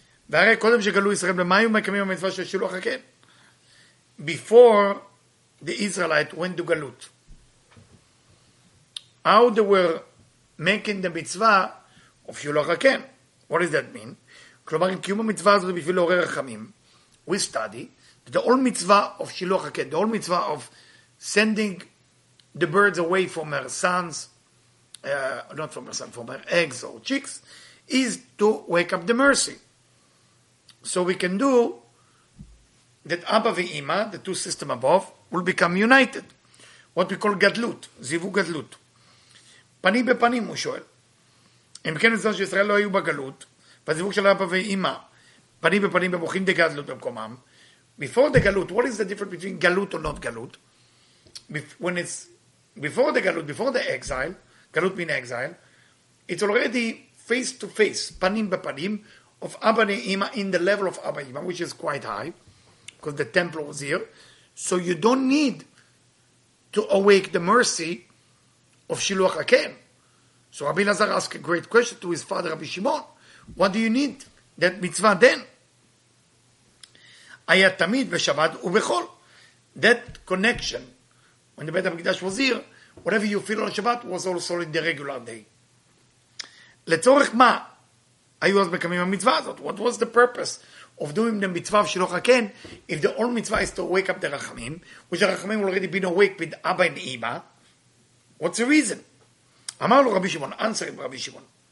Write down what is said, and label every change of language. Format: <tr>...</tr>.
<he>והרי קודם שגלו ישראל, למה היו מקמים המצווה של שילוח הקן?</he> <en>Before the Israelite went to Galut, how they were making the mitzvah of שילוח הקן? What does that mean?</en> <he>כלומר, קיום המצווה הזאת בשביל לעורר רחמים,</he> <en>we study that the whole mitzvah of שילוח הקן, the whole mitzvah of sending the birds away from her sons, not from her sons, from her eggs or chicks, is to wake up the mercy. So we can do that Abba ve'ima, the two system above, will become united. What we call</en> <he>gadlut, zivu gadlut. Pani bepanim, הוא שואל. אם כן, זאת שישראל לא היו בגלות, בזיווג של אבא ואימא, פנים בפנים, במוחים דגדלות במקומם.</he> <en>Before the galut, what is the difference between galut or not galut? When it's before the galut, before the exile, galut mean exile, it's already face to face, panim bepanim, of Abba Ne'ima in the level of Abba Ne'ima, which is quite high, because the temple was here. So you don't need to awake the mercy of Shiluach HaKen. So Rabbi Lazar asked a great question to his father, Rabbi Shimon. What do you need that mitzvah then?</en> <he>Ayat tamid v'shabbat u'bechol.</he> <en>That connection, when the Beit HaMikdash was here, whatever you feel on Shabbat was also in the regular day.</en> <he>Letzorech ma, היו אז מקמים המצווה הזאת.</he> <en>What was the purpose of doing the mitzvah of שילוח הקן if the only mitzvah is to wake up the רחמים, which the רחמים already been awake with אבא and אמא? What's the reason?</en> <he>אמר לו רבי שמעון,</he> <en>answer him</en> <he>רבי שמעון.</he>